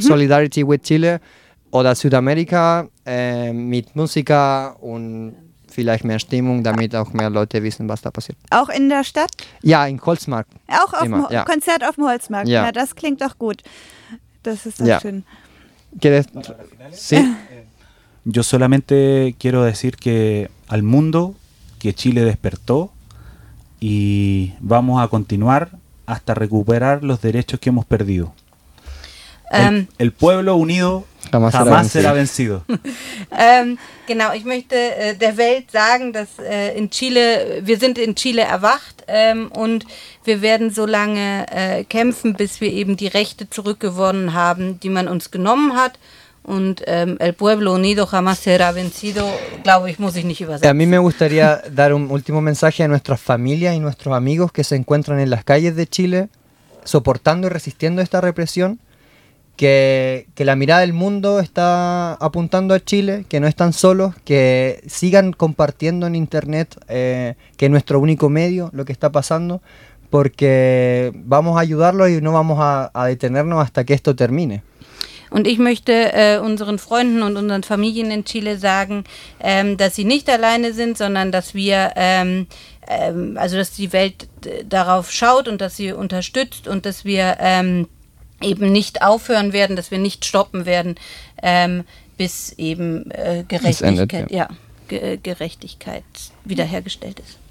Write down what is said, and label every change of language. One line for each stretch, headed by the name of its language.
German: Solidarity with Chile oder Südamerika mit Musiker und vielleicht mehr Stimmung, damit auch mehr Leute wissen, was da passiert. Auch in der Stadt? Ja, in Holzmarkt. Auch auf dem Konzert auf dem Holzmarkt. Ja. Ja, das klingt doch gut. Das ist doch schön.
Spanish: ¿Quieres? Sí. Yo solamente quiero decir que al mundo que Chile despertó y vamos a continuar hasta recuperar los derechos que hemos perdido. El pueblo unido jamás será vencido.
German: Genau, ich möchte der Welt sagen, dass in Chile, wir sind in Chile erwacht und wir werden so lange kämpfen, bis wir eben die Rechte zurückgewonnen haben, die man uns genommen hat. Und
Spanish: el pueblo unido jamás será vencido,
German: glaube ich, muss ich nicht übersetzen.
Spanish: A mí me gustaría dar un último mensaje a nuestras familias y nuestros amigos que se encuentran en las calles de Chile, soportando y resistiendo esta represión. Que la mirada del mundo está apuntando a Chile, que no están solos, que sigan compartiendo en internet, que es nuestro único medio lo que está pasando, porque vamos a ayudarlos y no vamos a detenernos hasta que esto termine.
German: Und ich möchte unseren Freunden und unseren Familien in Chile sagen, dass sie nicht alleine sind, sondern dass wir, also dass die Welt darauf schaut und dass sie unterstützt und dass wir eben nicht aufhören werden, dass wir nicht stoppen werden, bis eben Gerechtigkeit wiederhergestellt ist.